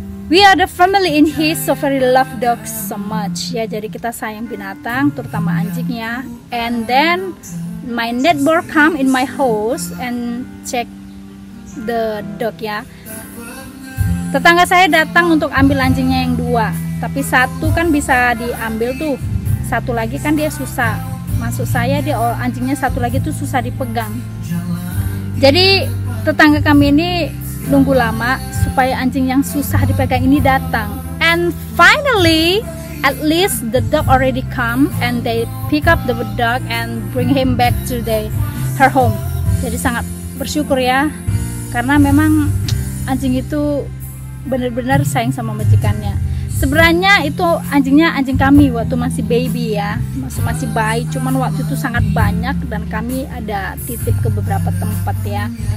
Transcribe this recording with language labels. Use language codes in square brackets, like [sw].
[en] We are the family in his so very love dogs so much ya. [id] Jadi kita sayang binatang, terutama anjingnya. [en] And then my neighbor come in my house and check the dog ya. [id] Tetangga saya datang untuk ambil anjingnya yang dua, tapi satu kan bisa diambil tuh, satu lagi kan dia susah. Maksud saya dia anjingnya satu lagi tuh susah dipegang. Jadi tetangga kami ini nunggu lama supaya anjing yang susah dipegang ini datang. [en] And finally, at least the dog already come and they pick up the dog and bring him back to her home. [id] Jadi sangat bersyukur ya, karena memang anjing itu benar-benar sayang sama majikannya. Sebenarnya itu anjingnya anjing kami waktu masih baby ya, masih bayi, cuman waktu itu sangat banyak dan kami ada titip ke beberapa tempat ya.